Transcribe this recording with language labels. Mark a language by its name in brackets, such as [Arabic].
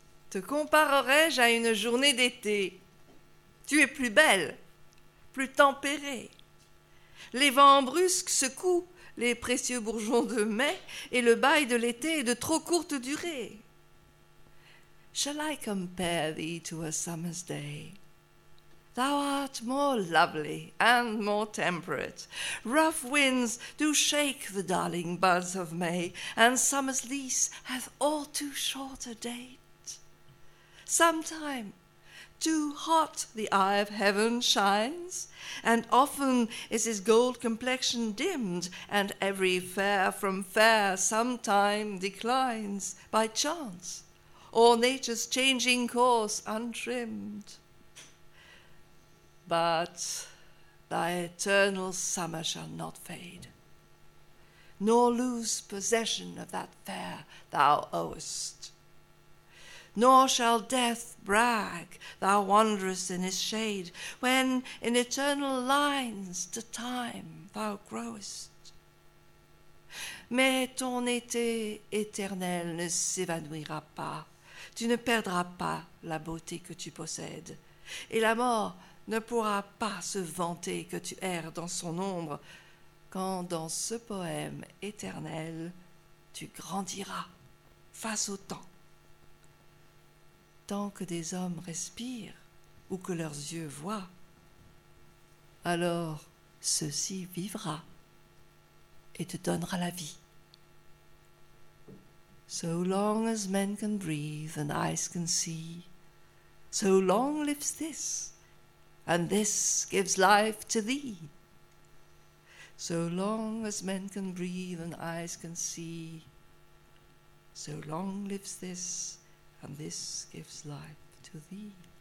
[French] Te comparerais-je à une journée d'été? Tu es plus belle, plus tempérée. Les vents brusques secouent les précieux bourgeons de mai et le bail de l'été est de trop courte durée. [English] Shall I compare thee to a summer's day? Thou art more lovely and more temperate. Rough winds do shake the darling buds of May, and summer's lease hath all too short a day. Sometime too hot the eye of heaven shines, and often is his gold complexion dimmed, and every fair from fair sometime declines by chance, or nature's changing course untrimmed. But thy eternal summer shall not fade, nor lose possession of that fair thou owest. Nor shall death brag, thou wanderest in his shade, when in eternal lines to time thou growest. [French] Mais ton été éternel ne s'évanouira pas, tu ne perdras pas la beauté que tu possèdes, et la mort ne pourra pas se vanter que tu erres dans son ombre, quand dans ce poème éternel tu grandiras face au temps. Tant que des hommes respirent ou que leurs yeux voient, alors ceci vivra et te donnera la vie. [English] So long as men can breathe and eyes can see, so long lives this, and this gives life to thee. So long as men can breathe and eyes can see, so long lives this, and this gives life to thee.